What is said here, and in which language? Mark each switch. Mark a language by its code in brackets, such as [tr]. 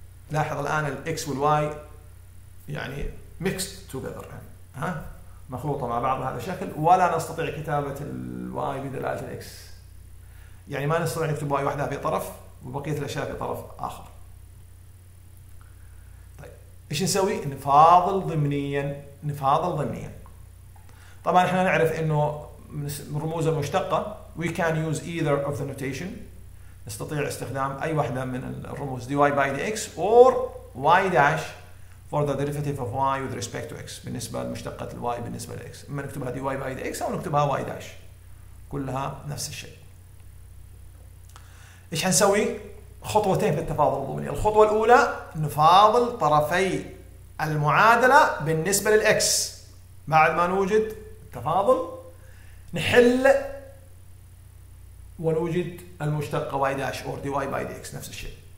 [ar] لاحظ الآن ال x وال y يعني [en] mixed together [ar] ها مخلوطة مع بعض هذا الشكل، ولا نستطيع كتابة ال y بدلالة ال x، يعني ما نستطيع نكتب y وحدها في طرف وبقية الأشياء في طرف آخر. طيب إيش نسوي؟ نفاضل ضمنيا، نفاضل ضمنيا. طبعا احنا نعرف انه رموز المشتقة [en] we can use either of the notation، [ar] نستطيع استخدام اي واحدة من الرموز [en] dy by dx or y dash for the derivative of y with respect to x، [ar] بالنسبة لمشتقة ال y بالنسبة ل x، اما نكتبها dy by dx او نكتبها y dash كلها نفس الشيء. ايش هنسوي؟ خطوتين في التفاضل الضمني. الخطوة الاولى نفاضل طرفي المعادلة بالنسبة لل x، بعد ما نوجد التفاضل نحل ونوجد المشتقة [en] y dash or dy by dx [ar] نفس الشيء.